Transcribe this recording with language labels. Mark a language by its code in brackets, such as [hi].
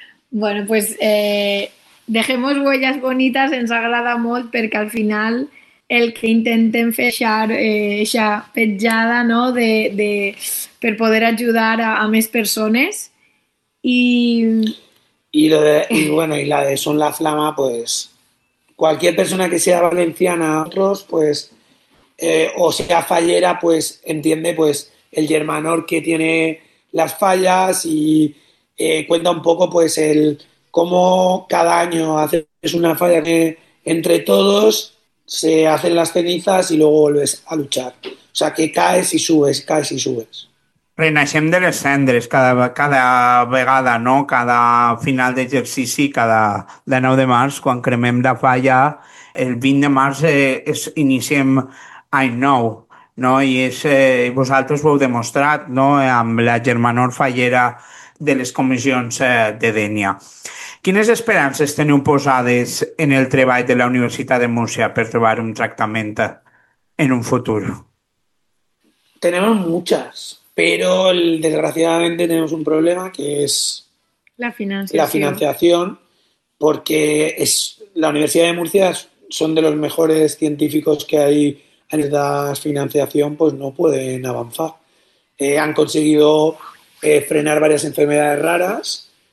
[ca] Bueno, pues Dejemos Huellas Bonitas ens agrada molt perquè al final el que intentem fer és aquesta petjada, no? Per poder ajudar a més persones. [es] Y la de Son la Flama, pues cualquier persona que sea valenciana otros, pues, o sea fallera, pues entiende pues el germanor que tiene las fallas y cuenta un poco pues el cómo cada año haces una falla que entre todos se hacen las cenizas y luego vuelves a luchar. O sea, que caes y subes. [ca] Renaixem de les cendres cada vegada, no? Cada final d'exercici, cada de 9 de març, quan cremem la falla, el 20 de març iniciem any nou, no? I és, vosaltres ho heu demostrat, no? Amb la germanor fallera de les comissions de Dénia. Quines esperances teniu posades en el treball de la Universitat de Múrcia per trobar un tractament en un futur? [es] Tenemos muchas, pero desgraciadamente tenemos un problema que es la financiación, porque es la Universidad de Múrcia son de los mejores científicos que hay en la financiación, pues no pueden avanzar. Han conseguido frenar varias enfermedades raras,